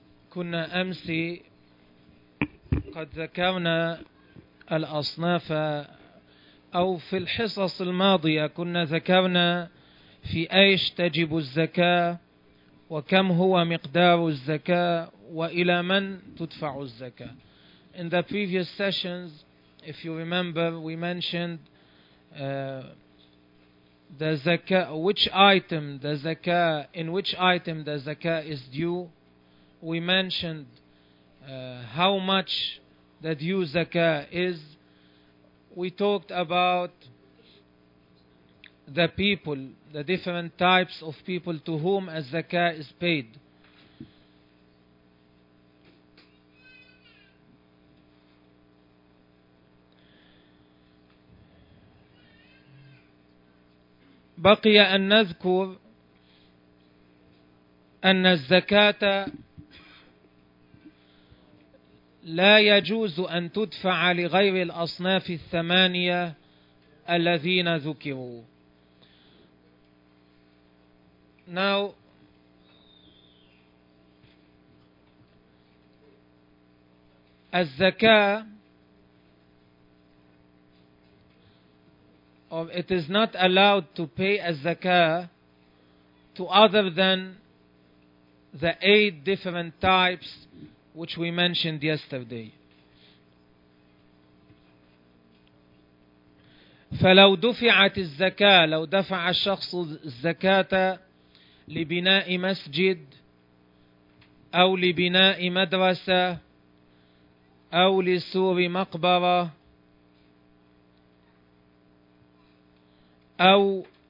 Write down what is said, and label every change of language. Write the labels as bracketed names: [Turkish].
[Arabic] كنا أمس قد ذكرنا الأصناف، أو في الحصص الماضية كنا ذكرنا في أيش تجب الزكاة، وكم هو مقدار الزكاة، وإلى من تدفع الزكاة. [English] In the previous sessions, if you remember, we mentioned the zakah, which item the zakah, in which item the zakah is due. We mentioned how much the due zakah is. We talked about the people, the different types of people to whom a zakah is paid. [Arabic] بقي أن نذكر أن الزكاة لا يجوز أن تدفع لغير الأصناف الثمانية الذين ذكروا. [English] Now, الزكاة, or it is not allowed to pay a zakah to other than the 8 different types which we mentioned yesterday. [Arabic] فلو دفعت الزكاة, لو دفع الشخص الزكاة لبناء مسجد أو لبناء مدرسة أو لسور مقبرة أو